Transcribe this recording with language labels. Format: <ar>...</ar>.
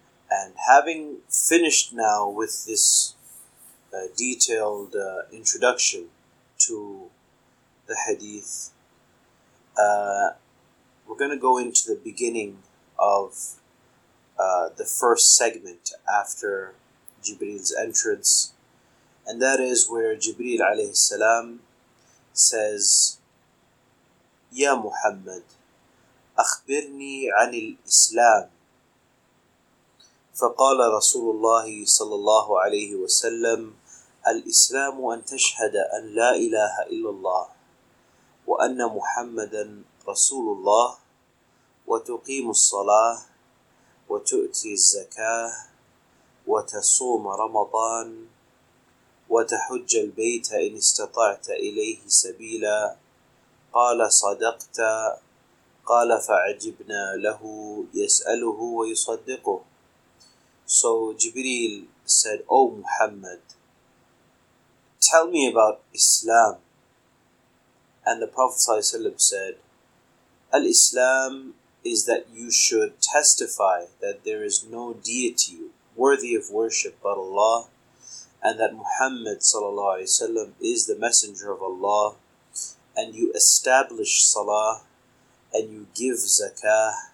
<en>And having finished now with this detailed introduction to the hadith, we're going to go into the beginning of the first segment after Jibreel's entrance, and that is where Jibreel alayhi salam says, Ya Muhammad,</en> <ar>أخبرني عن الإسلام. فقال رسول الله صلى الله عليه وسلم الإسلام أن تشهد أن لا إله إلا الله وأن محمدا رسول الله وتقيم الصلاة وتؤتي الزكاة وتصوم رمضان وتحج البيت إن استطعت إليه سبيلا. قال صدقت. قال فعجبنا له يسأله ويصدقه.</ar> <en>So Jibreel said, O Muhammad, tell me about Islam. And the Prophet ﷺ said, Al-Islam is that you should testify that there is no deity worthy of worship but Allah, and that Muhammad ﷺ is the messenger of Allah, and you establish salah, and you give zakah,</en>